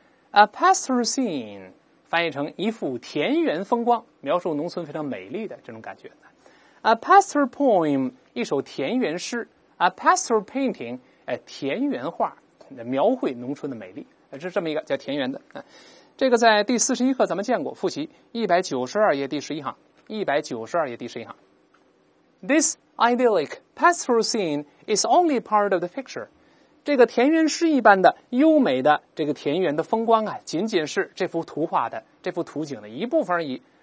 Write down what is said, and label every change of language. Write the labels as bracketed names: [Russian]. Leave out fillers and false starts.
[English] A pastoral scene， [Chinese] 翻译成一幅田园风光，描述农村非常美丽的这种感觉。 [English] A pastoral poem， [Chinese] 一首田园诗。 [English] A pastoral painting， [Chinese] 田园画，描绘农村的美丽。是这么一个叫田园的。这个在第41课咱们见过，复习192页第11行。 192页第11行。 [English] This idyllic pastoral scene is only part of the picture. [Chinese] 这个田园诗一般的优美的这个田园的风光啊，仅仅是这幅图画的这幅图景的一部分而已。